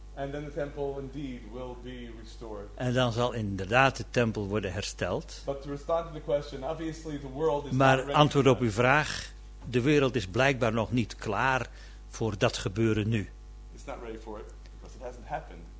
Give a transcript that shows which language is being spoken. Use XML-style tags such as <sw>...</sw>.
<en>And then the temple indeed will be restored.</en> <nl>En dan zal inderdaad de tempel worden hersteld.</nl> <en>But to respond to the question, obviously the world is</en> <nl>maar</nl> <en>not ready</en> <nl>antwoord op uw vraag, de wereld is blijkbaar nog niet klaar voor dat gebeuren nu.</nl> <en>It's not ready for it because it hasn't happened.</en>